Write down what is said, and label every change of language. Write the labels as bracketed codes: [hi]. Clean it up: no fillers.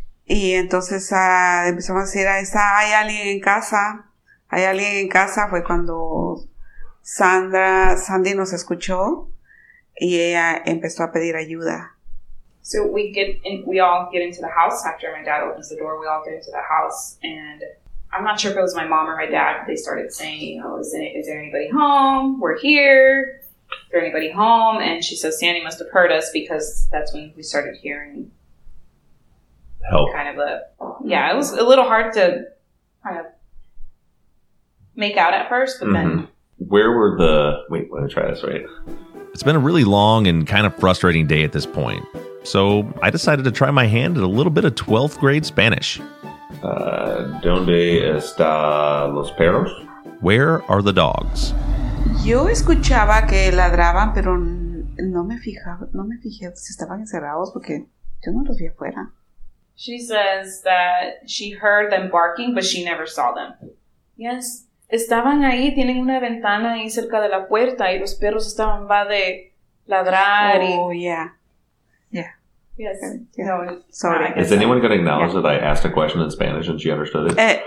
[es] Y entonces empezamos a decir, hay alguien en casa, hay alguien en casa. Fue cuando Sandy nos escuchó y ella empezó a pedir ayuda. [en] So we all get into the house after my dad opens the door. We all get into the house, and I'm not sure if it was my mom or my dad. They started saying, is there anybody home? We're here. Is there anybody home? And she says, Sandy must have heard us, because that's when we started hearing help. It was a little hard to kind of make out at first, but mm-hmm. then. Let me try this right. It's been a really long and kind of frustrating day at this point. So I decided to try my hand at a little bit of 12th grade Spanish. [es] ¿Dónde están los perros? [en] Where are the dogs? [es] Yo escuchaba que ladraban, pero no me fijé si estaban encerrados, porque yo no los vi afuera. [en] She says that she heard them barking, but she never saw them. Yes, [es] estaban ahí, tienen una ventana ahí cerca de la puerta, y los perros estaban va de ladrar. [en] Yes. Okay. Yeah. No, sorry. Is anyone going to acknowledge that I asked a question in Spanish and she understood it?